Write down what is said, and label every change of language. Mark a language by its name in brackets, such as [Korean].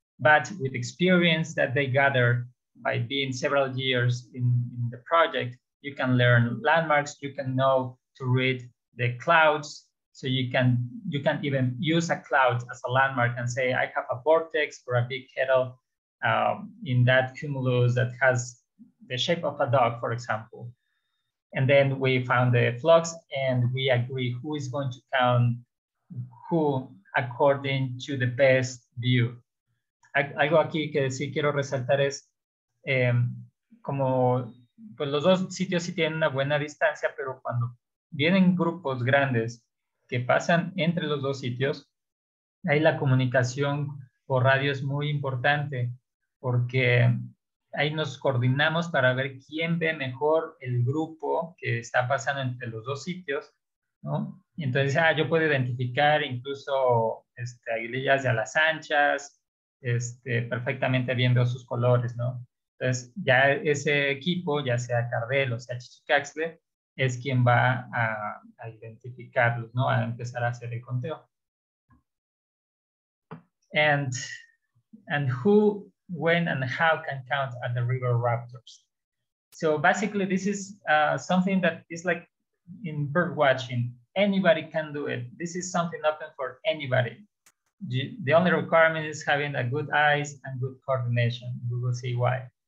[English] But with experience that they gather by being several years in the project, you can learn landmarks, you can know to read the clouds, so you can even use a cloud as a landmark and say, I have a vortex or a big kettle in that cumulus that has the shape of a dog, for example. And then we found the flocks and we agree who is going to count who according to the best view. [Spanish] Algo aquí que sí quiero resaltar es como pues los dos sitios sí tienen una buena distancia, pero cuando vienen grupos grandes que pasan entre los dos sitios, ahí la comunicación por radio es muy importante porque ahí nos coordinamos para ver quién ve mejor el grupo que está pasando entre los dos sitios, ¿no? Y entonces, yo puedo identificar incluso aguilillas de alas anchas perfectamente viendo sus colores, ¿no? Entonces, ya ese equipo, ya sea Cardel o sea Chichicaxle, es quien va a identificarlos, ¿no? A empezar a hacer el conteo. [English] And who, when, and how can count at the river raptors? So basically, this is something that is like in bird watching. Anybody can do it. This is something open for anybody. The only requirement is having a good eyes and good coordination. We will see why.